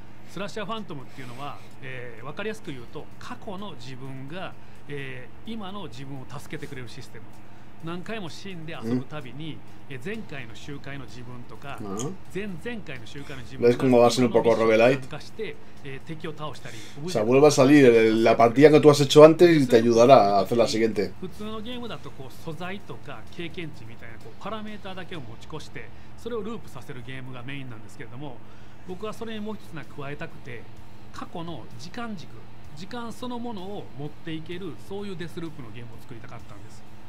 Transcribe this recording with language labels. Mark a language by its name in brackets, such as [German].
[Japanese] スラッシャーファントムっていうのは、分かりやすく言うと過去の自分が、今の自分を助けてくれるシステム。何回も死んで遊ぶたびに、前回の周回の自分とか、前々回の周回の自分とか、自分の自分化して、敵を倒したり、 [Spanish] o sea, vuelve a salir la partida que tú has hecho antes y te ayudará a hacer la siguiente. [Japanese] 普通のゲームだとこう素材とか経験値みたいなこうパラメーターだけを持ち越して、それをループさせるゲームがメインなんですけれども、僕はそれにもう一つなんか加えたくて、過去の時間軸、時間そのものを持っていける、そういうデスループのゲームを作りたかったんです。